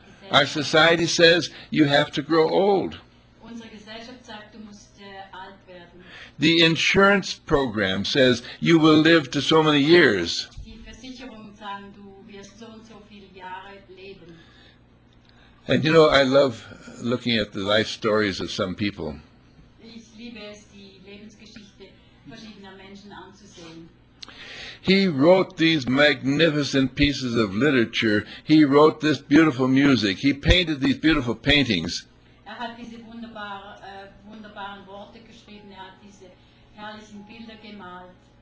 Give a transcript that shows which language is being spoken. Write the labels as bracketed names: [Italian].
[English] Our society says you have to grow old. [German] Unsere Gesellschaft sagt, du musst alt werden. [English] The insurance program says you will live to so many years. [German] Die Versicherungen sagen, du wirst so und so viele Jahre leben. [English] And you know, I love looking at the life stories of some people. [German] Ich liebe es, die Lebensgeschichte verschiedener Menschen anzusehen. [English] He wrote these magnificent pieces of literature. He wrote this beautiful music. He painted these beautiful paintings. [German] Er hat diese wunderbaren Worte geschrieben. Er hat diese herrlichen Bilder gemalt.